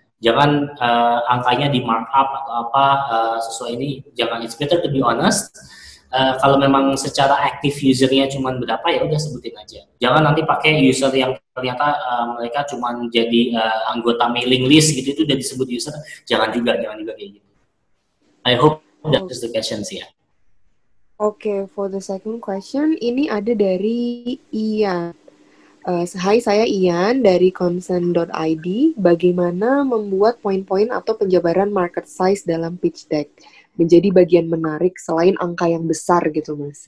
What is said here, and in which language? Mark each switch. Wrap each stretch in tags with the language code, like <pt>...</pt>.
<id>Jangan angkanya di markup atau apa sesuai ini, jangan,</id> <en>it's better to be honest.</en> <id>Kalau memang secara active usernya cuma berapa, ya udah sebutin aja. Jangan nanti pakai user yang ternyata mereka cuma jadi anggota mailing list gitu, itu udah disebut user, jangan juga kayak gitu.</id> <en>I hope that is the question sih ya. Okay, for the second question,</en> <id>ini ada dari Ian. Hai, saya Ian dari concern.id. Bagaimana membuat poin-poin atau penjabaran market size dalam pitch deck menjadi bagian menarik selain angka yang besar gitu, Mas?</id>